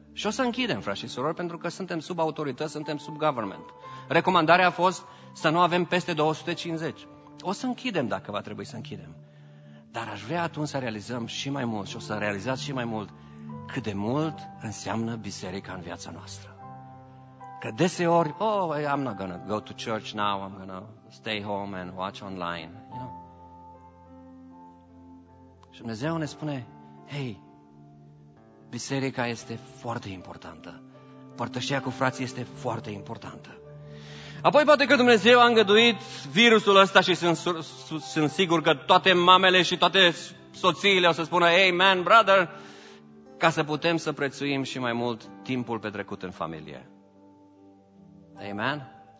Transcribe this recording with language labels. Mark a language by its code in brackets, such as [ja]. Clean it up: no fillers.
[ro] Și o să închidem, frați și surori, pentru că suntem sub autorități, suntem sub government. Recomandarea a fost să nu avem peste 250. O să închidem dacă va trebui să închidem. Dar aș vrea atunci să realizăm și mai mult și o să realizați și mai mult cât de mult înseamnă biserica în viața noastră. Că deseori, [en] I'm not gonna go to church now, I'm gonna stay home and watch online, you know. [ro] Și Dumnezeu ne spune, hei, biserica este foarte importantă. Părtășia cu frații este foarte importantă. Apoi poate că Dumnezeu a îngăduit virusul ăsta și sunt sigur că toate mamele și toate soțiile o să spună, [en] hey man, brother, [ro] ca să putem să prețuim și mai mult timpul petrecut în familie. Amen?